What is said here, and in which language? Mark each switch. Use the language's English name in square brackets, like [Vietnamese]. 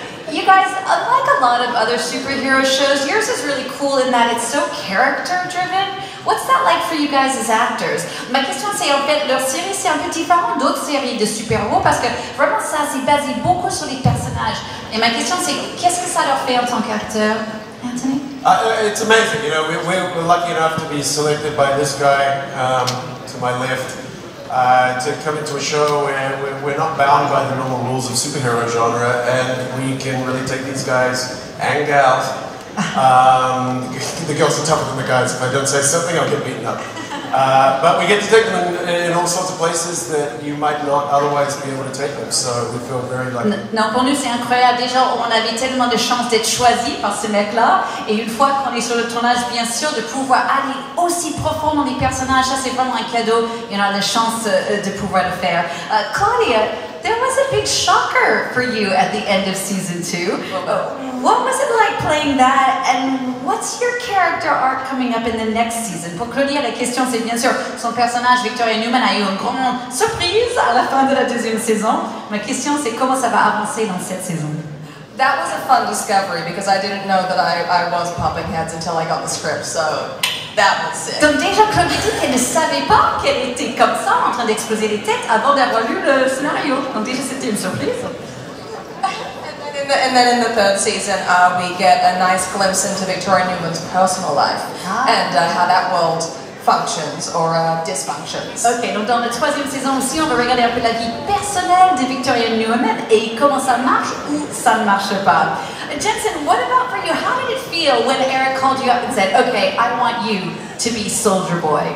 [English] You guys, unlike a lot of other superhero shows, yours is really cool in that it's so character-driven. What's that like for you guys as actors? [French] Ma question c'est en fait, leur série c'est un peu différent d'autres séries de super-héros parce que vraiment ça s'est basé beaucoup sur les personnages. Et ma question c'est, qu'est-ce que ça leur fait en tant qu'acteur, Antony? [English] It's amazing, you know, we're lucky enough to be selected by this guy to my left to come into a show and we're not bound by the normal rules of superhero genre and we can really take these guys and gals. The girls are tougher than the guys. If I don't say something, I'll get beaten up. But we get to take them in all sorts of places that you might not otherwise be able to take them. So we feel very lucky. [French] Non, pour nous, c'est incroyable. Déjà, on avait tellement de chance d'être choisi par ces mecs-là. Et une fois qu'on est sur le tournage, bien sûr, de pouvoir aller aussi profond dans les personnages, ça, c'est vraiment un cadeau. Et on a la chance de pouvoir le faire. [English] Claudia, there was a big shocker for you at the end of season 2. What was it like playing that, and what's your character arc coming up in the next season? [French] Pour Claudia, la question c'est bien sûr, son personnage, Victoria Newman, a eu une grande surprise à la fin de la deuxième saison. Ma question c'est comment ça va avancer dans cette saison? [English] That was a fun discovery, because I didn't know that I was popping heads until I got the script, so that was sick. [French] Donc déjà, Claudia dit qu'elle ne savait pas qu'elle était comme ça, en train d'exploser les têtes avant d'avoir lu le scénario. Donc déjà, c'était une surprise. [English] And then in the third season, we get a nice glimpse into Victoria Newman's personal life and how that world functions or dysfunctions. [French] Okay, donc dans la troisième saison aussi, on va regarder un peu la vie personnelle de Victoria Newman et comment ça marche ou ça ne marche pas. [English] Jensen, what about for you? How did it feel when Eric called you up and said, okay, I want you to be Soldier Boy?